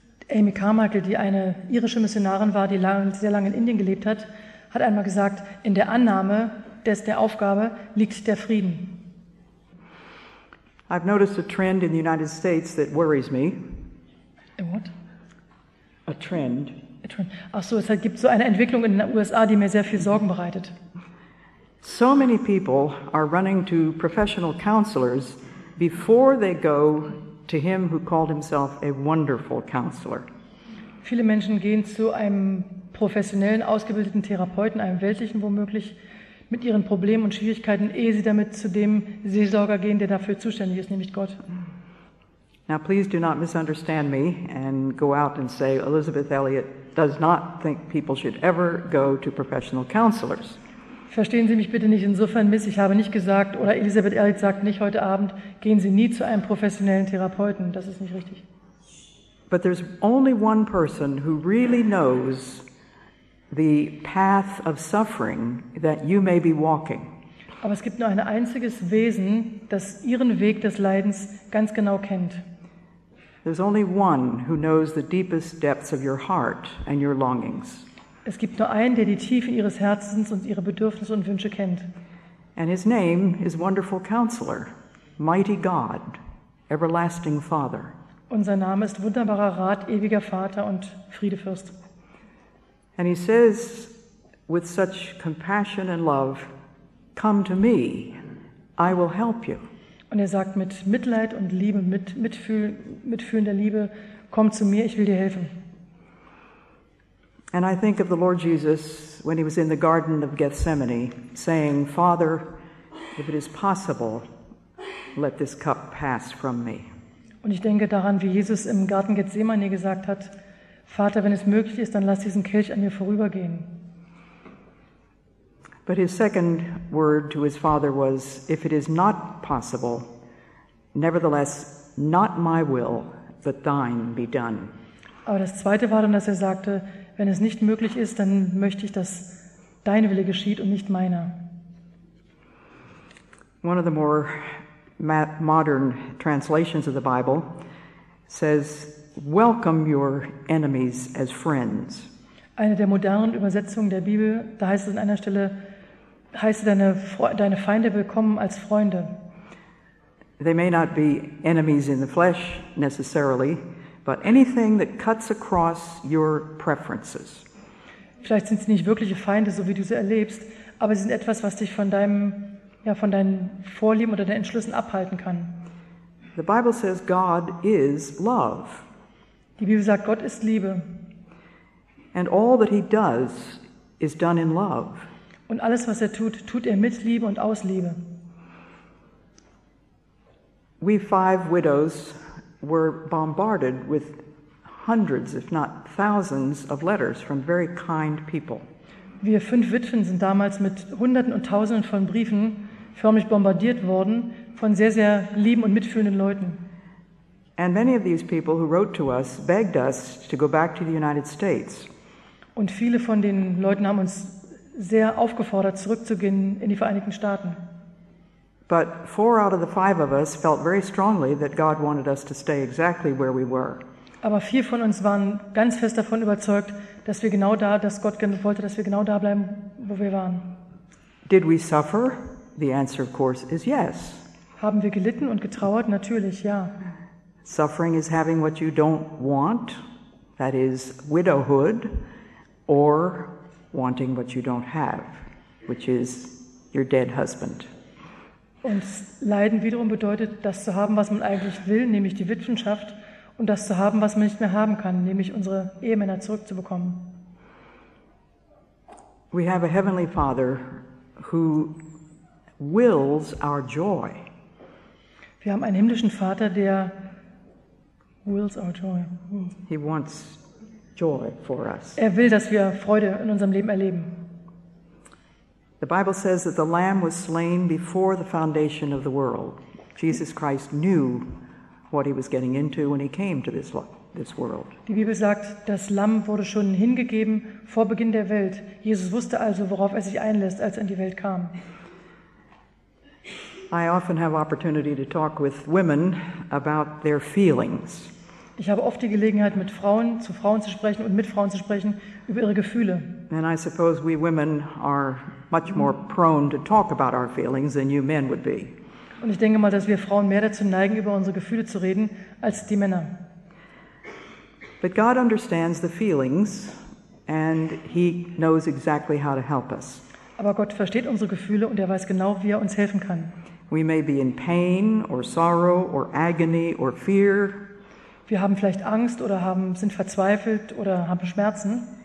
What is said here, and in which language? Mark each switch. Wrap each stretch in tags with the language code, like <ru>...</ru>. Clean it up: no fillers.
<de>Amy Carmichael, die eine irische Missionarin war, die sehr lange in Indien gelebt hat, hat einmal gesagt, in der Annahme der Aufgabe liegt der Frieden.</de> <en>I've noticed a trend in the United States that worries me. A what? A trend.</en> <de>Ach so, es gibt so eine Entwicklung in den USA, die mir sehr viel Sorgen bereitet.</de> <en>So many people are running to professional counselors before they go to him who called himself a wonderful counselor.</en> <de>Viele Menschen gehen zu einem professionellen, ausgebildeten Therapeuten, einem weltlichen womöglich, mit ihren Problemen und Schwierigkeiten, ehe sie damit zu dem Seelsorger gehen, der dafür zuständig ist, nämlich Gott.</de> <en>Now please do not misunderstand me and go out and say Elizabeth Elliot does not think people should ever go to professional counselors.</en> <de>Verstehen Sie mich bitte nicht insofern miss, ich habe nicht gesagt, oder Elizabeth Elliot sagt nicht heute Abend, gehen Sie nie zu einem professionellen Therapeuten, das ist nicht richtig.</de> <en>But there's only one person who really knows the path of suffering that you may be walking.</en> <de>Aber es gibt nur ein einziges Wesen, das ihren Weg des Leidens ganz genau kennt.</de> <en>There's only one who knows the deepest depths of your heart and your longings.</en> <de>Es gibt nur einen, der die Tiefe ihres Herzens und ihre Bedürfnisse und Wünsche kennt.</de> <en>And his name is Wonderful Counselor, Mighty God, Everlasting Father.</en> <de>Und sein Name ist Wunderbarer Rat, Ewiger Vater und Friedefürst.</de> <en>And he says with such compassion and love, come to me, I will help you.</en> <de>Und er sagt mit Mitleid und Liebe, mit mitfühlender Liebe, komm zu mir, ich will dir helfen.</de> <en>And I think of the Lord Jesus when he was in the Garden of Gethsemane saying, Father, if it is possible, let this cup pass from me.</en> <de>Und ich denke daran, wie Jesus im Garten Gethsemane gesagt hat, Vater, wenn es möglich ist, dann lass diesen Kelch an mir vorübergehen.</de> <en>But his second word to his father was, if it is not possible, nevertheless, not my will, but thine be done.</en> <de>Aber das zweite war dann, dass er sagte, wenn es nicht möglich ist, dann möchte ich, dass dein Wille geschieht und nicht meiner.</de> <en>One of the more modern translations of the Bible says, welcome your enemies as friends.</en> <de>Eine der modernen Übersetzungen der Bibel, da heißt es an einer Stelle, heiße deine Feinde willkommen als Freunde.</de> <en>They may not be enemies in the flesh necessarily, but anything that cuts across your preferences.</en> <de>Vielleicht sind sie nicht wirkliche Feinde, so wie du sie erlebst, aber sie sind etwas, was dich von deinem von deinen Vorlieben oder deinen Entschlüssen abhalten kann.</de> <en>The Bible says God is love.</en> <de>Die Bibel sagt, Gott ist Liebe.</de> <en>And all that he does is done in love.</en> <de>Und alles, was er tut, tut er mit Liebe und aus Liebe.</de> <en>We five widows were bombarded with hundreds, if not thousands, of letters from very kind people.</en> <de>Wir fünf Witwen sind damals mit Hunderten und Tausenden von Briefen förmlich bombardiert worden von sehr, sehr lieben und mitfühlenden Leuten.</de> <en>And many of these people who wrote to us begged us to go back to the United States.</en> <de>Und viele von den Leuten haben uns sehr aufgefordert, zurückzugehen in die Vereinigten Staaten.</de> <en>But four out of the five of us felt very strongly that God wanted us to stay exactly where we were.</en> <de>Aber vier von uns waren ganz fest davon überzeugt, dass wir genau da, dass Gott wollte, dass wir genau da bleiben, wo wir waren.</de> <en>Did we suffer? The answer, of course, is yes.</en> <de>Haben wir gelitten und getrauert? Natürlich, ja.</de> <en>Suffering is having what you don't want, that is widowhood, or wanting what you don't have, which is your dead husband.</en> <de>Und leiden wiederum bedeutet, das zu haben, was man eigentlich will, nämlich die Witwenschaft, und das zu haben, was man nicht mehr haben kann, nämlich unsere Ehemänner zurückzubekommen.</de> <en>We have a heavenly Father who wills our joy.</en> <de>Wir haben einen himmlischen Vater, der</de> <en>wills our joy. He wants joy for us.</en> <de>Er will, dass wir Freude in unserem Leben erleben.</de> <en>The Bible says that the Lamb was slain before the foundation of the world. Jesus Christ knew what he was getting into when he came to this world.</en> <de>Die Bibel sagt, das Lamm wurde schon hingegeben vor Beginn der Welt. Jesus wusste also, worauf er sich einlässt, als er in die Welt kam.</de> <en>I often have opportunity to talk with women about their feelings.</en> <de>Ich habe oft die Gelegenheit, mit Frauen zu Frauen zu sprechen und mit Frauen zu sprechen über ihre Gefühle.</de> <en>And I suppose we women are much more prone to talk about our feelings than you men would be.</en> <de>Und ich denke mal, dass wir Frauen mehr dazu neigen, über unsere Gefühle zu reden, als die Männer.</de> <en>But God understands the feelings and he knows exactly how to help us.</en> <de>Aber Gott versteht unsere Gefühle und er weiß genau, wie er uns helfen kann.</de> <en>We may be in pain or sorrow or agony or fear.</en> <de>Wir haben vielleicht Angst oder sind verzweifelt oder haben Schmerzen.</de>